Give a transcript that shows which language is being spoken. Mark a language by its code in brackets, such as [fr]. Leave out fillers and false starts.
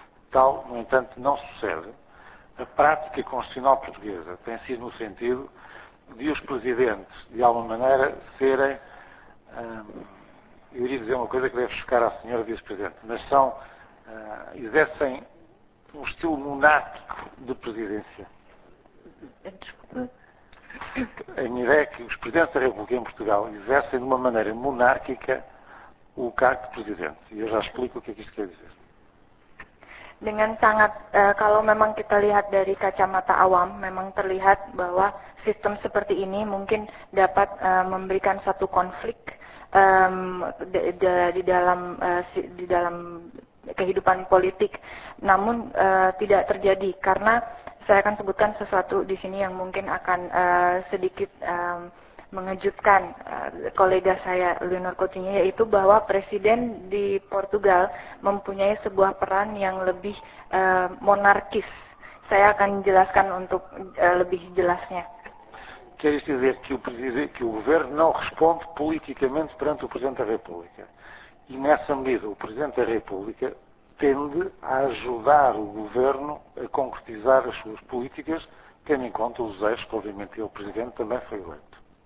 [pt] Tal, no entanto, não sucede. A prática constitucional portuguesa tem sido no sentido de os presidentes, de alguma maneira, serem, eu iria dizer uma coisa que deve chocar à senhora vice-presidente, mas são, exercem um estilo monárquico de presidência. A minha ideia é que os presidentes da República em Portugal exercem de uma maneira monárquica o cargo de presidente. E eu já explico o que é que isto quer dizer. [id] Dengan sangat, kalau memang kita lihat dari kacamata awam, memang terlihat bahwa sistem seperti ini mungkin dapat memberikan satu konflik di dalam kehidupan politik. Namun tidak terjadi, karena saya akan sebutkan sesuatu di sini yang mungkin akan sedikit mengejutkan kolega saya, Leonor Coutinho, yaitu bahwa presiden di Portugal mempunyai sebuah peran yang lebih monarkis. Saya akan jelaskan untuk lebih jelasnya. [pt] Quer isto dizer que o governo não responde politicamente perante o Presidente da República. E nessa medida o Presidente da República tende a ajudar o governo a concretizar as suas políticas, tendo em conta os eixos que obviamente ele, o Presidente, também foi eleito.